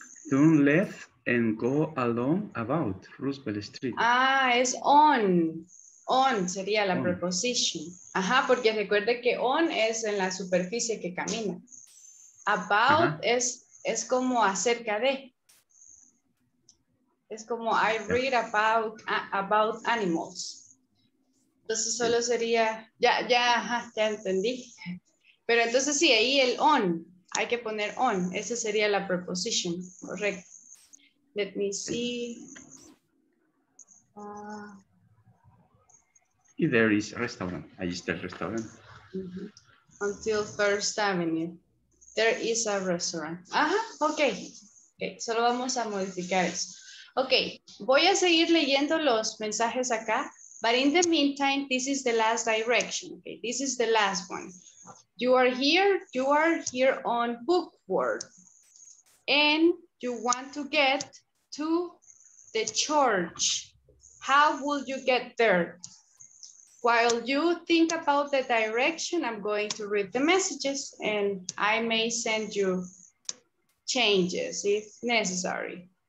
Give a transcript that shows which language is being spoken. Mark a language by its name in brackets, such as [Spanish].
[English] Turn left and go along about Roosevelt Street. [Spanish] Ah, es on. On sería la on. Preposition. Ajá, porque recuerde que on es en la superficie que camina. About es como acerca de. Es como, [English] I read about animals. [Spanish] Entonces solo sería, ya entendí. Pero entonces sí, ahí el on, hay que poner on. Esa sería la preposition, correcto. [English] Let me see. [Spanish] y [English] there is a restaurant. [Spanish] Ahí está el restaurante. [English] Mm-hmm. Until First Avenue. There is a restaurant. [Spanish] Ajá, okay. Okay. Solo vamos a modificar eso. Okay, voy a seguir leyendo los mensajes acá. [English] But in the meantime, this is the last direction. Okay, this is the last one. You are here on bookworm. And you want to get to the church. How will you get there? While you think about the direction, I'm going to read the messages and I may send you changes if necessary.